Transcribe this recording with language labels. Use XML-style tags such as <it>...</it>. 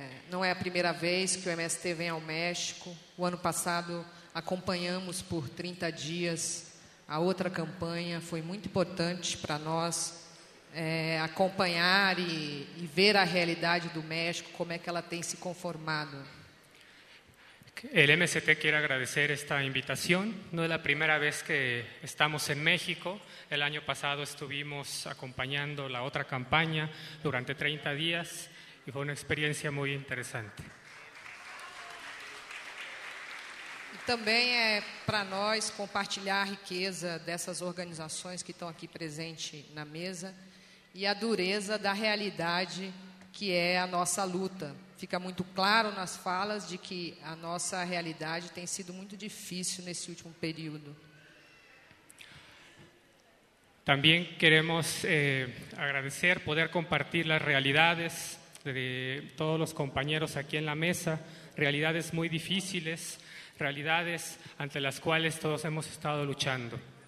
<pt>Não é a primeira vez que o MST vem ao México. O ano passado acompanhamos por 30 dias a outra campanha. Foi muito importante para nós acompanhar e ver a realidade do México, como é que ela tem se conformado.</pt> <es>El MST quiere agradecer esta invitación. No es la primera vez que estamos en México. El año pasado estuvimos acompañando la otra campaña durante 30 días y fue una experiencia muy interesante. También es para nosotros compartilhar a riqueza de esas organizaciones que están aquí presentes en la mesa y la dureza de la realidad que es nuestra lucha.</es> <pt>Fica muito claro nas falas de que a nossa realidade tem sido muito difícil nesse último período. Também queremos agradecer poder compartir as realidades de todos os companheiros aqui na mesa, realidades muito difíceis, realidades ante as quais todos</pt> <es>hemos estado</es> <pt>lutando.</pt>